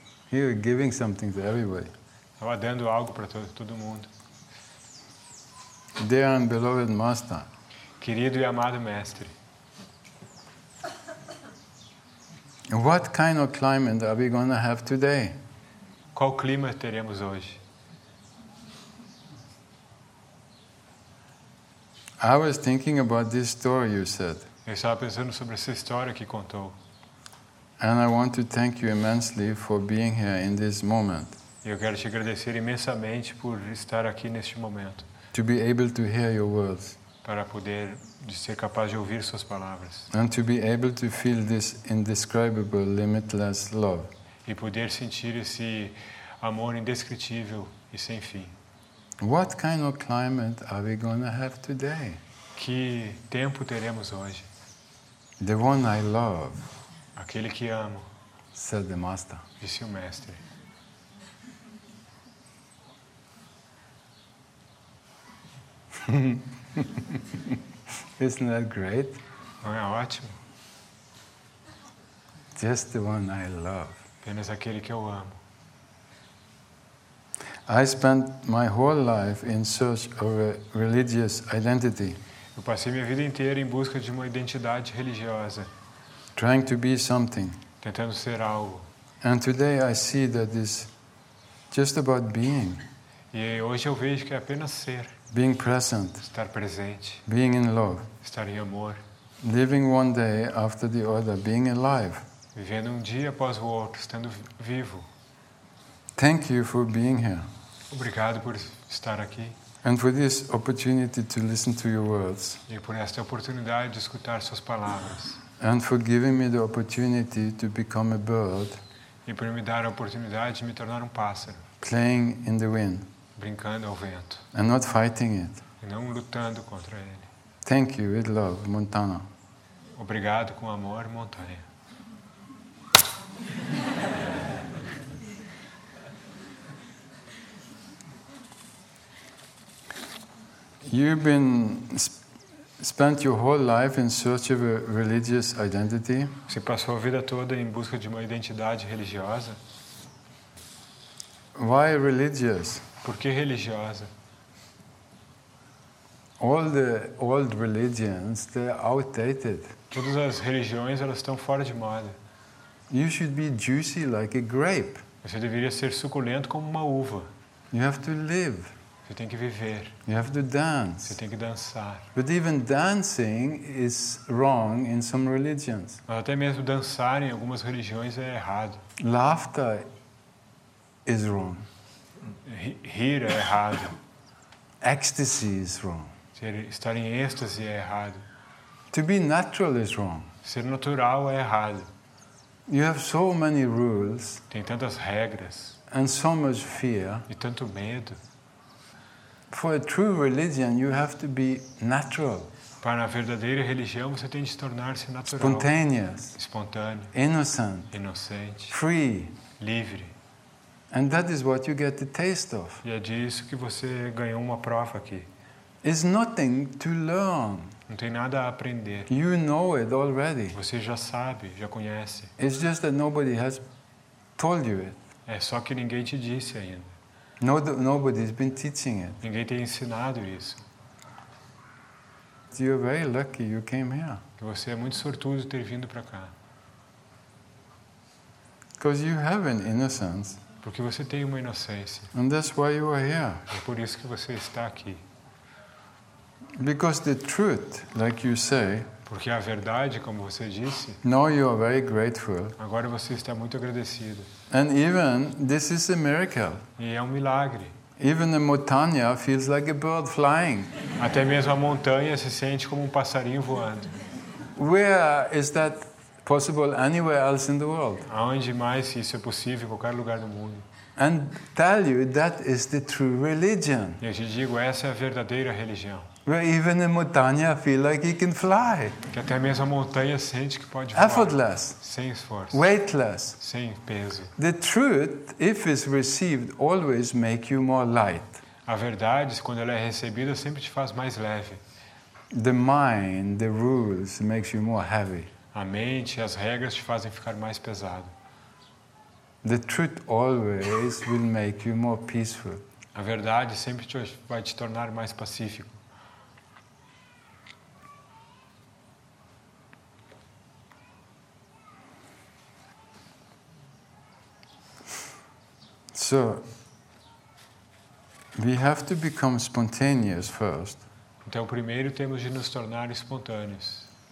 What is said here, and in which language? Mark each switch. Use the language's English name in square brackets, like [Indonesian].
[English] You're giving something to everybody. [Portuguese] Estava dando algo para todo mundo. [English] Dear and beloved Master. [Portuguese] Querido e amado Mestre. [English] What kind of climate are we going to have today? [Portuguese] Qual clima teremos hoje? [English] I was thinking about this story you said. [Portuguese] Eu estava pensando sobre essa história que contou. [English] And I want to thank you immensely for being here in this moment. [Portuguese] Eu quero te agradecer imensamente por estar aqui neste momento. [English] To be able to hear your words. [Portuguese] Para poder ser capaz de ouvir suas palavras. [English] And to be able to feel this indescribable, limitless love. [Portuguese] E poder sentir esse amor indescritível e sem fim. [English] What kind of climate are we going to have today? [Portuguese] Que tempo teremos hoje? [English] The one I love. [Portuguese] Aquele que amo. [English] Said the Master. [Portuguese] Disse o Mestre. [English] Isn't that great? [Portuguese] Não é ótimo? [English] Just the one I love. [Portuguese] Apenas aquele que eu amo. [English] I spent my whole life in search of a religious identity. [Portuguese] Eu passei minha vida inteira em busca de uma identidade religiosa. [English] Trying to be something. [Portuguese] Tentando ser algo. [English] And today I see that it's just about being. [Portuguese] E hoje eu vejo que é apenas ser. [English] Being present. [Portuguese] Estar presente. [English] Being in love. [Portuguese] Estar em amor. [English] Living one day after the other, being alive. [Portuguese] Vivendo um dia após o outro, estando vivo. [English] Thank you for being here. [Portuguese] Obrigado por estar aqui. [English] And for this opportunity to listen to your words. [Portuguese] E por esta oportunidade de escutar suas palavras. [English] And for giving me the opportunity to become a bird. [Portuguese] E por me dar a oportunidade de me tornar um pássaro. [English] Playing in the wind. [Portuguese] Brincando ao vento. [English] And not fighting it. [Portuguese] E não lutando contra ele. [English] Thank you with love, Montana. [Portuguese] Obrigado com amor, Montanha. [English] You've been spent your whole life in search of a religious identity. [Portuguese] Você passou a vida toda em busca de uma identidade religiosa. [English] Why religious? [Portuguese] Por que religiosa? [English] All the old religions, they're outdated. [Portuguese] Todas as religiões, elas estão fora de moda. [English] You should be juicy like a grape. [Portuguese] Você deveria ser suculento como uma uva. [English] You have to live. [Portuguese] Você tem que viver. [English] You have to dance. [Portuguese] Você tem que dançar. [English] But even dancing is wrong in some religions. [Portuguese] Mas até mesmo dançar em algumas religiões é errado. [English] Laughter is wrong. [Portuguese] Rir é errado. [English] Ecstasy is wrong. [Portuguese] Estar em êxtase é errado. [English] To be natural is wrong. [Portuguese] Ser natural é errado. [English] You have so many rules. [Portuguese] Tem tantas regras. [English] and so much fear. [Portuguese] E tanto medo. [English] For a true religion, you have to be natural. [Portuguese] Para a verdadeira religião, você tem de se tornar-se natural. [English] Spontaneous. [Portuguese] Espontâneo. [English] Innocent. [Portuguese] Inocente. [English] Free. [Portuguese] Livre. [English] And that is what you get the taste of. [Portuguese] E é disso que você ganhou uma prova aqui. [English] It's nothing to learn. [Portuguese] Não tem nada a aprender. [English] You know it already. [Portuguese] Você já sabe, já conhece. [English] It's just that nobody has told you it. [Portuguese] É só que ninguém te disse ainda. [English] No, nobody's been teaching it. [Portuguese] Ninguém tem ensinado isso. [English] You're very lucky you came here. [Portuguese] Você é muito sortudo ter vindo para cá. [English] Because you have an innocence. [Portuguese] Porque você tem uma inocência. [English] And that's why you are here. [Portuguese] É por isso que você está aqui. [English] Because the truth, like you say. [Portuguese] Porque a verdade, como você disse. [English] Now you are very grateful. [Portuguese] Agora você está muito agradecido. [English] And even this is a miracle. [Portuguese] E é um milagre. [English] Even a montanha feels like a bird flying. [Portuguese] Até mesmo a montanha se sente como um passarinho voando. [English] Where is that possible anywhere else in the world? [Portuguese] Aonde mais isso é possível em qualquer lugar do mundo? [English] And tell you that is the true religion. [Portuguese] Eu te digo, essa é a verdadeira religião. [English] Where even a montanha feels like it can fly. [Portuguese] Que até mesmo a montanha sente que pode voar. [English] Effortless. [Portuguese] Sem esforço. [English] Weightless. [Portuguese] Sem peso. [English] The truth, if it's received, always makes you more light. [Portuguese] A verdade, quando ela é recebida, sempre te faz mais leve. [English] The mind, the rules, makes you more heavy. [Portuguese] A mente, as regras te fazem ficar mais pesado. [English] The truth always will make you more peaceful. [Portuguese] A verdade sempre vai te tornar mais pacífico. [English] So, we have to become spontaneous first. [Portuguese] Então, primeiro temos de nos tornar espontâneos.